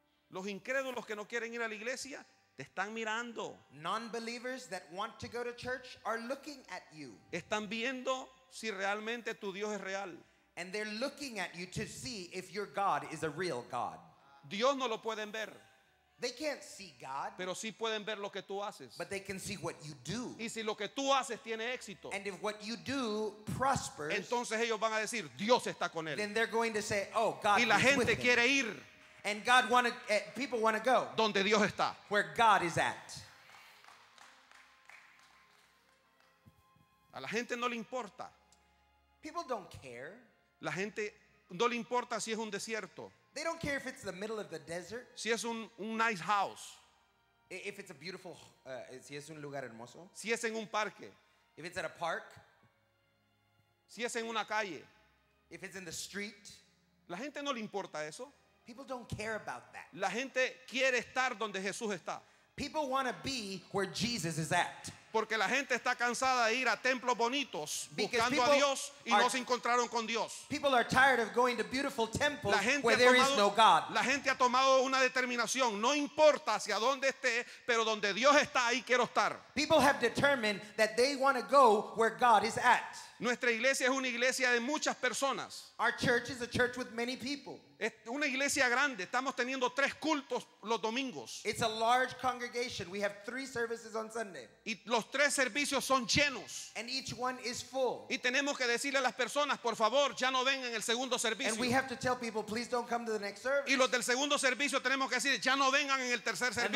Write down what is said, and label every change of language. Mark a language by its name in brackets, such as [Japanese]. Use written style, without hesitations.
[Spanish] Los incrédulos que no quieren ir a la iglesia te están mirando. [English] Non-believers that want to go to church are looking at you. [Spanish] Están viendo si realmente tu Dios es real. [English] And they're looking at you to see if your God is a real God. [Spanish] Dios no lo pueden ver. [English] They can't see God. [Spanish] Pero sí pueden ver lo que tú haces. [English] But they can see what you do. [Spanish] Y si lo que tú haces tiene éxito. [English] And if what you do prospers. [Spanish] Entonces ellos van a decir, Dios está con él. [English] Then they're going to say, oh, God is with him. [Spanish] Y la gente quiere ir. [English] And God wanted, people want to go. [Spanish] Donde Dios está. [English] Where God is at. [Spanish] A la gente no le importa. [English] People don't care. [Spanish] La gente no le importa si es un desierto. [English] They don't care if it's the middle of the desert. [Spanish] Si es un [English] nice house. If it's a beautiful, [Spanish] si es un lugar hermoso. Si es en un parque. [English] If it's at a park. [Spanish] Si es en una calle. [English] If it's in the street. [Spanish] La gente no le importa eso. [English] People don't care about that. [Spanish] La gente quiere estar donde Jesús está. [English] People want to be where Jesus is at. [Spanish] Porque la gente está cansada de ir a templos bonitos buscando a Dios y no se encontraron con Dios. [English] People are tired of going to beautiful temples where there is no God. [Spanish] La gente ha tomado una determinación. No importa hacia dónde esté, pero donde Dios está, ahí quiero estar. [English] People have determined that they want to go where God is at. [Spanish] Nuestra iglesia es una iglesia de muchas personas. [English] Our church is a church with many people. [Spanish] Es una iglesia grande. Estamos teniendo tres cultos los domingos. [English] It's a large congregation. We have three services on Sunday. [Spanish] Y los tres servicios son llenos. [English] And each one is full. [Spanish] Y tenemos que decirle a las personas, por favor, ya no vengan el segundo servicio. [English] And we have to tell people, please don't come to the next service. [Spanish] Y los del segundo servicio tenemos que decir, ya no vengan en el tercer servicio.